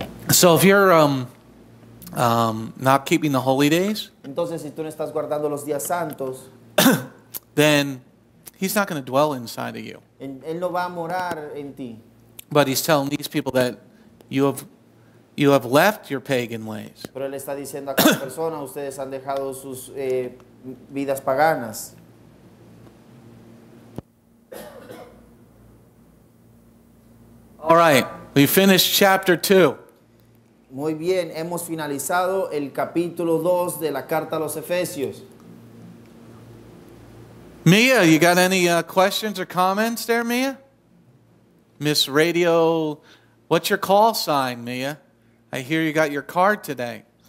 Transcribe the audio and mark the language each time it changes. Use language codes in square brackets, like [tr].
[en] So if you're not keeping the holy days, [es] entonces, si tú no estás guardando los días santos, [en] then he's not going to dwell inside of you. [es] Él no va a morar en ti. [en] But he's telling these people that you have left your pagan ways. [es] Pero él está diciendo a cada persona, ustedes han dejado sus vidas paganas. [en] All right, we finished chapter 2. [es] Muy bien, hemos finalizado el capítulo 2 de la carta a los Efesios. [en] Mia, you got any questions or comments there, Mia? Miss Radio, what's your call sign, Mia? I hear you got your card today.